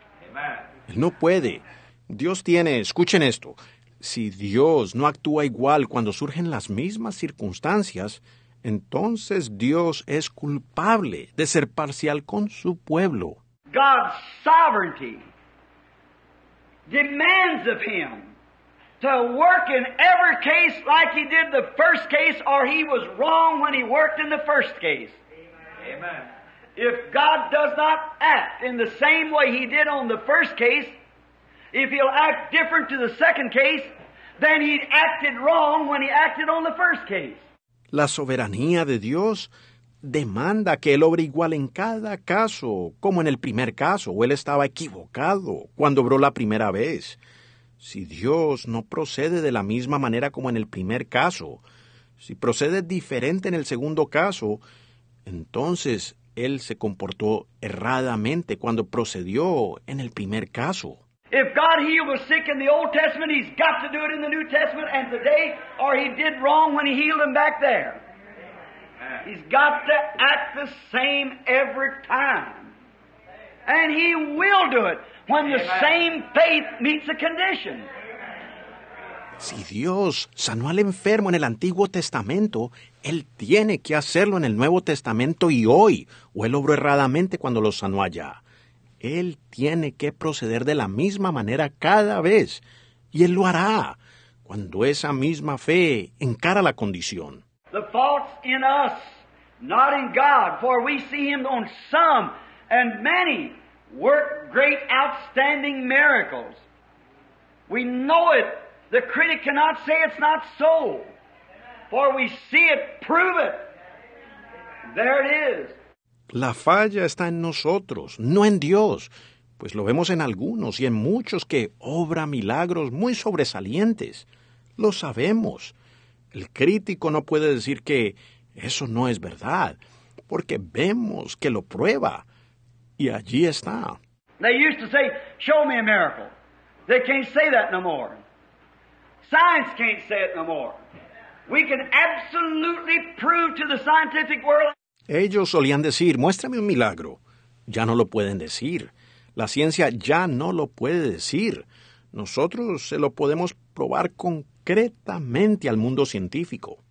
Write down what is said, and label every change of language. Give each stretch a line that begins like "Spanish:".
English: Amen.
Spanish: Él no puede. Dios tiene. Escuchen esto. Si Dios no actúa igual cuando surgen las mismas circunstancias, entonces Dios es culpable de ser parcial con su pueblo.
English: God's sovereignty demands of Him to work in every case like He did the first case, or He was wrong when He worked in the first case. Amen. If God does not act in the same way He did on the first case, if He'll act different to the second case, then He acted wrong when He acted on the first case.
Spanish: La soberanía de Dios demanda que Él obre igual en cada caso, como en el primer caso, o Él estaba equivocado cuando obró la primera vez. Si Dios no procede de la misma manera como en el primer caso, si procede diferente en el segundo caso, entonces Él se comportó erradamente cuando procedió en el primer caso.
English: If God healed the sick in the Old Testament, He's got to do it in the New Testament and today, or He did wrong when He healed them back there. He's got to act the same every time. And He will do it when the same faith meets a condition.
Spanish: Si Dios sanó al enfermo en el Antiguo Testamento, Él tiene que hacerlo en el Nuevo Testamento y hoy, o Él obró erradamente cuando lo sanó allá. Él tiene que proceder de la misma manera cada vez, y Él lo hará cuando esa misma fe encara la condición.
English: The fault's in us, not in God, for we see Him on some and many work great outstanding miracles. We know it. The critic cannot say it's not so, for we see it, prove it. There it is.
Spanish: La falla está en nosotros, no en Dios, pues lo vemos en algunos y en muchos que obra milagros muy sobresalientes. Lo sabemos. El crítico no puede decir que eso no es verdad, porque vemos que lo prueba y allí está.
English: They used to say, show me a miracle. They can't say that no more. Science can't say it no more. We can absolutely prove to the scientific world.
Spanish: Ellos solían decir, muéstrame un milagro. Ya no lo pueden decir. La ciencia ya no lo puede decir. Nosotros se lo podemos probar concretamente al mundo científico.